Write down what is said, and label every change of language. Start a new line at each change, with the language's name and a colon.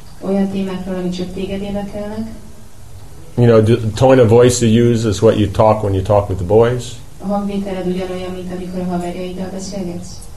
Hungarian: Olyan témákról, ami csak téged érdekelnek.
English: You know, the tone of voice you use is what you talk when you talk with the boys.
Hungarian: A hangvételed ugyanolyan, mint amikor a haverjaiddal beszélgetsz.